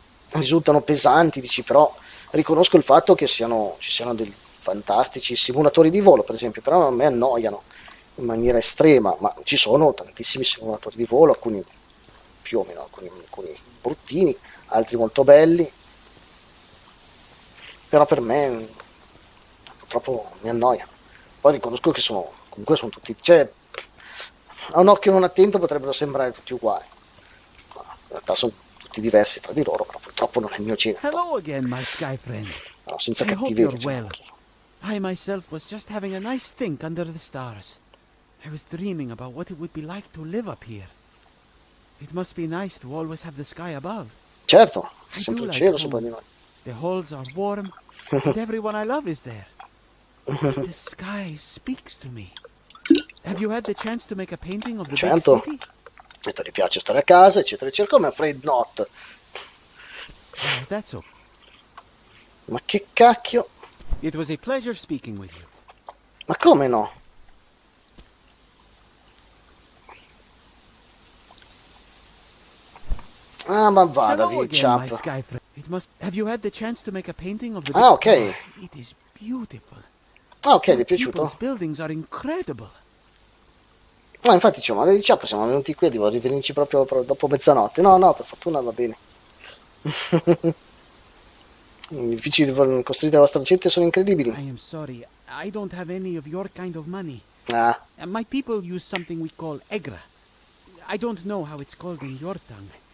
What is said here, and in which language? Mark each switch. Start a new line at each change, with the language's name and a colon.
Italian: risultano pesanti, dici, però riconosco il fatto che ci siano dei fantastici simulatori di volo, per esempio, però a me annoiano in maniera estrema, ma ci sono tantissimi simulatori di volo, alcuni più o meno, alcuni bruttini, altri molto belli, però per me purtroppo mi annoiano. Poi riconosco che sono tutti, cioè, a un occhio non attento potrebbero sembrare tutti uguali, ma in realtà sono tutti diversi tra di loro, però purtroppo non è il mio genere.
English: Hello again, my sky friend.
Italian: No, senza cattiverie.
English: I myself was just having a nice think under the stars. I was dreaming about what it would be like to live up here. It must be nice to always have the sky above.
Italian: Certo, c'è sempre il cielo sopra di noi.
English: The halls are warm, and everyone I love is there. The sky speaks to me. Have you had the chance to make a painting of the big city?
Italian: Certo, gli piace stare a casa, eccetera, eccetera.
English: Come afraid not. That's all.
Italian: Ma che cacchio?
English: It was a pleasure speaking with you.
Italian: Ma come no? Ah, ma vada, Vichap.
English: Have you had the chance to make a painting of the big... Ah, ok. It is beautiful.
Italian: Ah, ok, gli è piaciuto.
English: The buildings are incredible.
Italian: Ma infatti, cioè, ma Vichap, siamo venuti qui, devo rivenirci proprio dopo mezzanotte. No, no, per fortuna va bene. Gli edifici costruiti dalla vostra gente sono incredibili.
English: I am sorry, I don't have any of your kind of money. Ah. My people use something we call Egra. I don't know how it's called in your tongue.